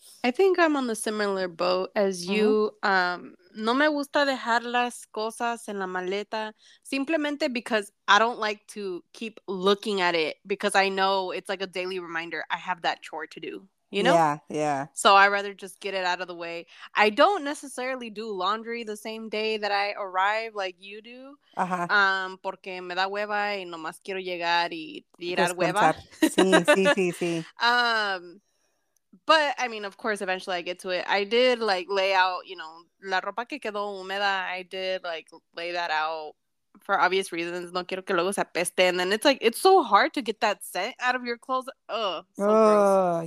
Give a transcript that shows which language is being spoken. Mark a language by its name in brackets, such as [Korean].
[English] I think I'm on the similar boat as you. [Spanish] No me gusta dejar las cosas en la maleta simplemente [English] because I don't like to keep looking at it because I know it's like a daily reminder I have that chore to do, you know? So I'd rather just get it out of the way. I don't necessarily do laundry the same day that I arrive like you do. [Spanish] Porque me da hueva y nomás quiero llegar y tirar Descansar. Sí, sí, hueva. sí, sí. [English] But I mean, of course, eventually I get to it. I did like lay out, you know, [Spanish] la ropa que quedó húmeda. [English] I did like lay that out for obvious reasons. [Spanish] No quiero que luego se apeste. [English] And then it's like, it's so hard to get that scent out of your clothes. Oh, so gross.